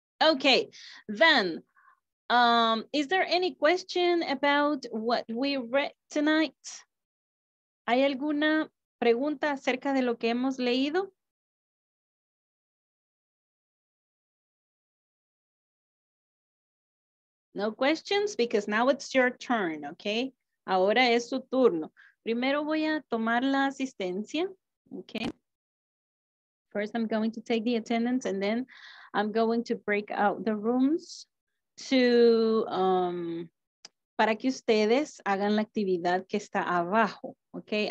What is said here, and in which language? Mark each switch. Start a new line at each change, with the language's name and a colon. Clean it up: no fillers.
English: Okay, then, is there any question about what we read tonight?
Spanish: ¿Hay alguna pregunta acerca de lo que hemos leído?
English: No questions, because now it's your turn, okay?
Spanish: Ahora es su turno. Primero voy a tomar la asistencia, okay?
English: First I'm going to take the attendance and then I'm going to break out the rooms to...
Spanish: para que ustedes hagan la actividad que está abajo, ok?